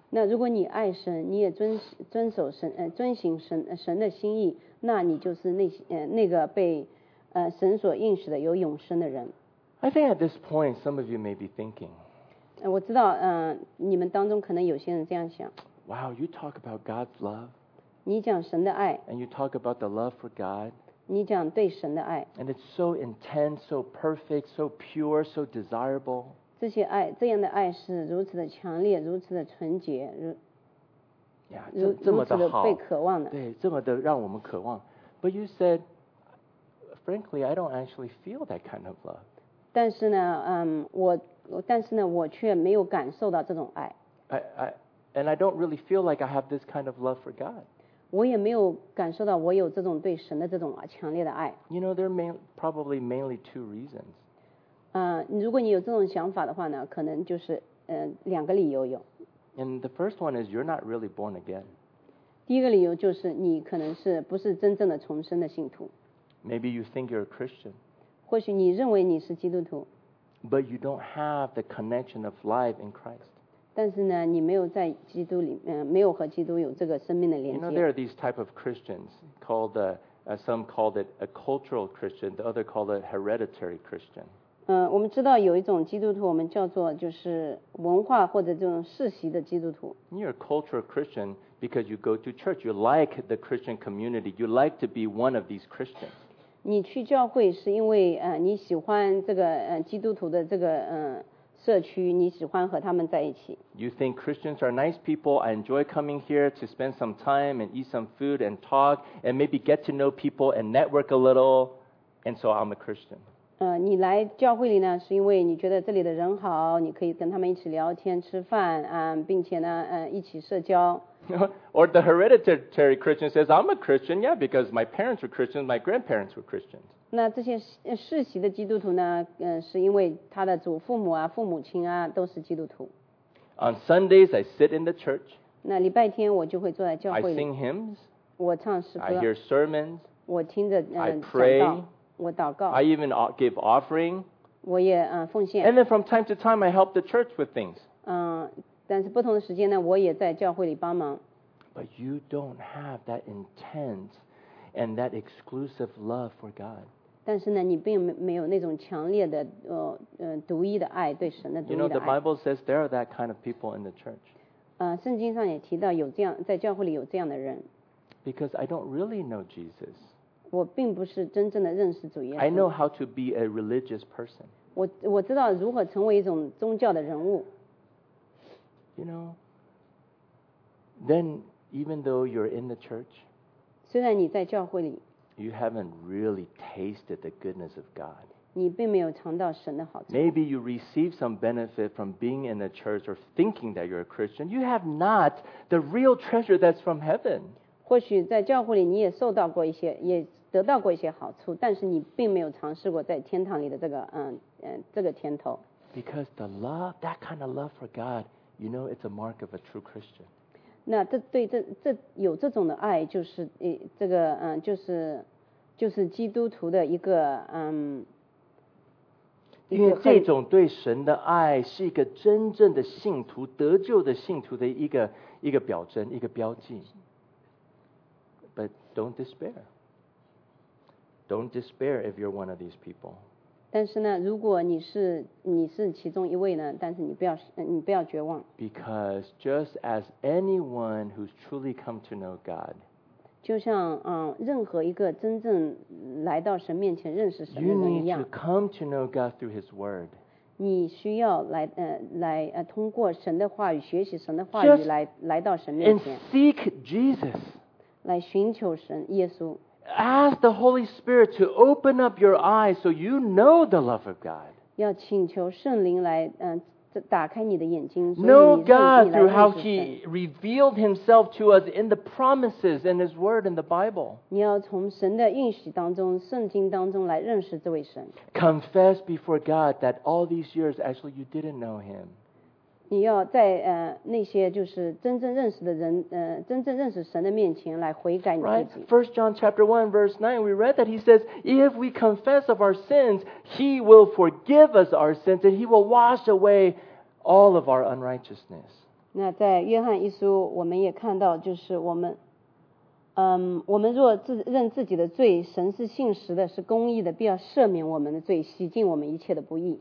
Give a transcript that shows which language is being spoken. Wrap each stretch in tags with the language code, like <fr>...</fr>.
<zh>那如果你爱神，你也遵行神的心意，那你就是那个被神所应许的有永生的人。</zh> <en>I think at this point, some of you may be thinking.</en> <zh>我知道，你们当中可能有些人这样想。</zh> <en>Wow, you talk about God's love.</en> <zh>你讲神的爱。</zh> <en>And you talk about the love for God.</en> <zh>你讲对神的爱。</zh> <en>And it's so intense, so perfect, so pure, so desirable.</en> <zh>这些爱，这样的爱是如此的强烈，如此的纯洁，如此的被渴望的。对，这么的让我们渴望。</zh> <en>But you said. Frankly, I don't actually feel that kind of love.</en> <zh>但是呢，我却没有感受到这种爱。</zh> <en>And I don't really feel like I have this kind of love for God.</en> <zh>我也没有感受到我有这种对神的这种强烈的爱。</zh> <en>You know, there are probably mainly two reasons.</en> <zh>如果你有这种想法的话呢，可能就是两个理由有。</zh> <en>And the first one is you're not really born again.</en> <zh>第一个理由就是你可能是不是真正的重生的信徒。</zh> <en>Maybe you think you're a Christian.</en> <zh>或许你认为你是基督徒。</zh> <en>But you don't have the connection of life in Christ.</en> <zh>但是呢，你没有在基督里面，没有和基督有这个生命的连接。</zh> <en>You know, there are these type of Christians called some called it a cultural Christian, the other called it hereditary Christian.</en> <zh>我们知道有一种基督徒，我们叫做就是文化或者这种世袭的基督徒。</zh> <en>You're a cultural Christian. Because you go to church, you like the Christian community, you like to be one of these Christians.</en> <zh>你去教会是因为你喜欢这个基督徒的这个社区，你喜欢和他们在一起。</zh> <en>You think Christians are nice people. I enjoy coming here to spend some time and eat some food and talk and maybe get to know people and network a little. And so I'm a Christian.</en> <zh>你来教会里呢，是因为你觉得这里的人好，你可以跟他们一起聊天、吃饭并且呢一起社交。</zh> <en>Or the hereditary Christian says, I'm a Christian, yeah, because my parents were Christians, my grandparents were Christians.</en> <zh>那这些世袭的基督徒呢，是因为他的祖父母父母亲都是基督徒。</zh> <en>On Sundays, I sit in the church.</en> <zh>那礼拜天我就会坐在教会里。</zh> <en>I sing hymns.</en> <zh>我唱诗歌。</zh> <en>I hear sermons.</en> <zh>我听着</zh> <en>I pray.</en> <zh>我祷告。</zh> <en>I even give offering.</en> <zh>我也奉献。</zh> <en>And then from time to time, I help the church with things.</en> <zh>但是不同的时间呢，我也在教会里帮忙。</zh> <en>But you don't have that intense and that exclusive love for God.</en> <zh>但是呢，你并没有那种强烈的独一的爱，对神的独一的爱。</zh> <en>You know, the Bible says there are that kind of people in the church.</en> <zh>圣经上也提到有这样在教会里有这样的人。</zh> <en>Because I don't really know Jesus.</en> <zh>我并不是真正的认识主耶稣。</zh> <en>I know how to be a religious person.</en> <zh>我知道如何成为一种宗教的人物。</zh> <en>You know, then even though you're in the church,</en> <zh>虽然你在教会里,</zh> <en>You haven't really tasted the goodness of God.</en> <zh>你并没有尝到神的好处。</zh> <en>Maybe you receive some benefit from being in a church or thinking that you're a Christian. You have not the real treasure that's from heaven.</en> <zh>或许在教会里你也受到过一些，也得到过一些好处，但是你并没有尝试过在天堂里的这个这个甜头。</zh> <en>Because the love, that kind of love for God, you know, it's a mark of a true Christian.</en> <zh>那这对这这有这种的爱，就是这个就是基督徒的一个因为这种对神的爱是一个真正的信徒得救的信徒的一个表征一个标记</zh> <en>But don't despair. Don't despair if you're one of these people.</en> <zh>但是呢如果你是其中一位呢但是你不要绝望</zh> <en>Because just as anyone who's truly come to know God,</en> <zh>就像任何一个真正来到神面前认识神的人一样</zh> <en>You need to come to know God through His Word.</en> <zh>你需要来通过神的话语学习神的话语来到神面前</zh> <en>And seek Jesus.</en> <zh>来寻求神耶稣</zh> <en>Ask the Holy Spirit to open up your eyes so you know the love of God.</en> <zh>要请求圣灵来打开你的眼睛</zh> <en>Know God through how He revealed Himself to us in the promises and His Word in the Bible.</en> <zh>你要从神的应许当中，圣经当中来认识这位神。</zh> <en>Confess before God that all these years actually you didn't know Him.</en> <zh>你要在那些就是真正认识的人，真正认识神的面前来悔改你自己。</zh> <en>Right, 1 John chapter 1 verse 9, we read that He says, if we confess of our sins, He will forgive us our sins and He will wash away all of our unrighteousness.</en> <zh>那在约翰一书我们也看到就是我们若认自己的罪，神是信实的，是公义的，必要赦免我们的罪，洗净我们一切的不义。</zh>